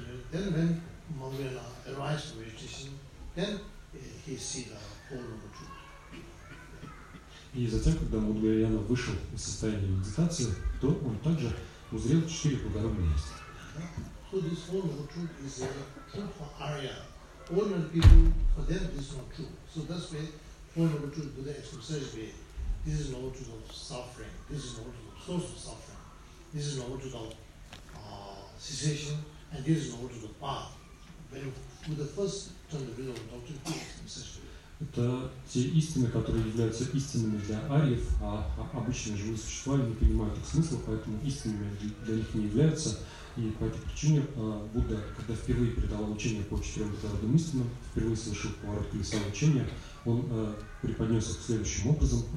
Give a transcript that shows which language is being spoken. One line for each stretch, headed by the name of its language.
English: Then when Mangala arrives from meditation, then he sees the whole noble truth.
Russian: И затем, когда Мангаляна вышел из состояния медитации, то он также узрел четыре благородные истины.
English: So this whole noble truth is a truth for Arya. Ordinary people, for them, this is not true. So that's why whole noble truth Buddha expresses way. This is noble truth of suffering. This is noble truth of source of suffering. This is noble truth of cessation. And this is the order of the path. When Buddha first turned the wheel of doctrine, he said,
Russian: это те истины, которые являются истинными для ариев, а обычные живые существа не понимают их смысла, поэтому истинными для них не являются. И по этой причине Будда, когда впервые передал учение по четырем благородным истинам, впервые совершил поворот колеса учения, он преподнес их следующим образом.